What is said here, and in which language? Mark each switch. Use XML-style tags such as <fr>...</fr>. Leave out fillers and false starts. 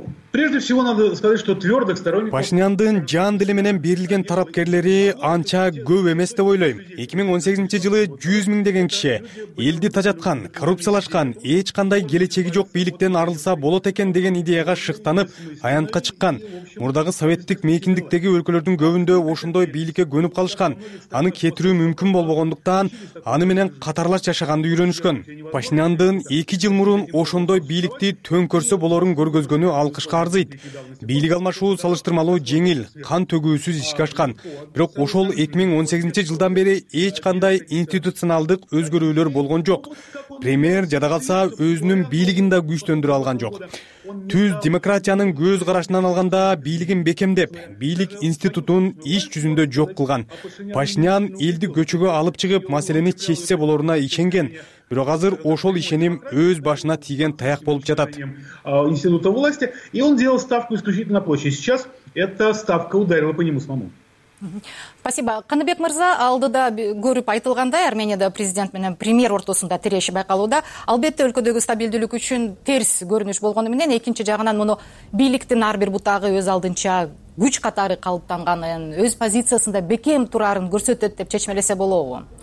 <ru>Прежде всего надо сказать, что твёрдых сторонников</ru> <ky>Пашиняндын жан дили менен берилген тарапкерлери анча көп эмес деп ойлойм. 2018-жылы 100 000 деген киши элди тажаткан, коррупциялашкан, эч кандай келечеги жок бийликтен арылса болот экен деген идеяга шыктанып аянтка чыккан. Мурдагы советтик мейкиндиктеги өлкөлөрдүн көбүндө ошондой бийликке көнүп калышкан, аны кетирүү мүмкүн болбогондуктан аны менен катарлаш жашаганды үйрөнүшкөн. Пашиняндын 2 жыл мурун ошондой бийликти төңкөрсө болорун көргөзгөнү алкыш арзыйт. Бийлик алмашуу салыштырмалуу жеңил, кан төгүүсүз ишке ашкан. Бирок ошол 2018-жылдан бери эч кандай институционалдык өзгөрүүлөр болгон жок. Премьер жада калса өзүнүн бийлигин да күчтөндүрө алган жок. Түз демократиянын көз карашынан алганда бийлигин бекемдеп, бийлик институтун иш жүзүндө жок кылган. Пашинян элди көчөгө алып чыгып, маселени чечсе болоруна ишенген. Бирок азыр ошол ишеним өз башына тийген таяк болуп жатат.</ky> <ru>Институт власти, и он делал ставку исключительно на площадь. Сейчас эта ставка ударила по нему самому. Спасибо.</ru> <ky>Каныбек Мырза, алдыда көрүп айтылгандай, Арменияда президент менен премьер ортосунда тиреши байкалууда. Албетте, өлкөдөгү стабилдүүлүк үчүн терс көрүнүш болгону менен, экинчи жагынан муну бийликтин ар бир бутагы өз алдынча күч катары калыптанганын, өз позициясында бекем тураарын көрсөтөт деп чечмелесе болобу?</ky>